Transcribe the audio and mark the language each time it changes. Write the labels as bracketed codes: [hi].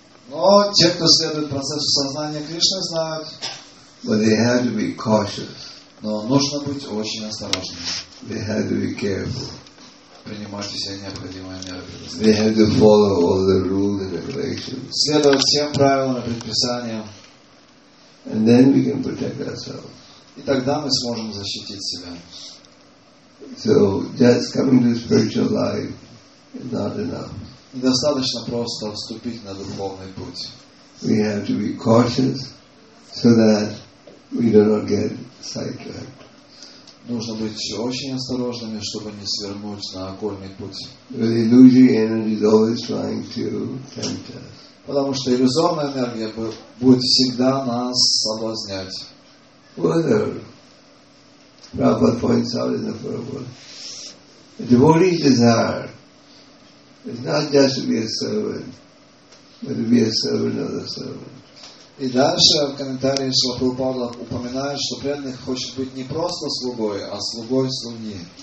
[ru] Но те, кто следует процессу сознания Кришны, знают. [en] But they have to be cautious. [ru] Но нужно быть очень осторожным. [en] They have to be careful. [ru] Принимать все необходимые меры. [en] They have to follow all the rules and regulations. [ru] Следовать всем правилам и предписаниям. [en] And then we can protect ourselves. [ru] И тогда мы сможем защитить себя. [en] So just coming to spiritual life is not enough. [ru] Недостаточно просто вступить на духовный путь. [en] We have to be cautious so that we do not get sidetracked. [ru] Нужно быть очень осторожными, чтобы не свернуть на окольный путь. [en] The illusory energy is always trying to tempt us. [ru] Потому что иллюзорная энергия будет всегда нас соблазнять. [en] Further, Prabhupada points out in the Prabhupada, a devotee's desire It's not just to be a servant, but to be a servant of the servant. [ru] И дальше в комментариях Шрила Прабхупада упоминает, что преданный хочет быть не просто слугой, а слугой слуги.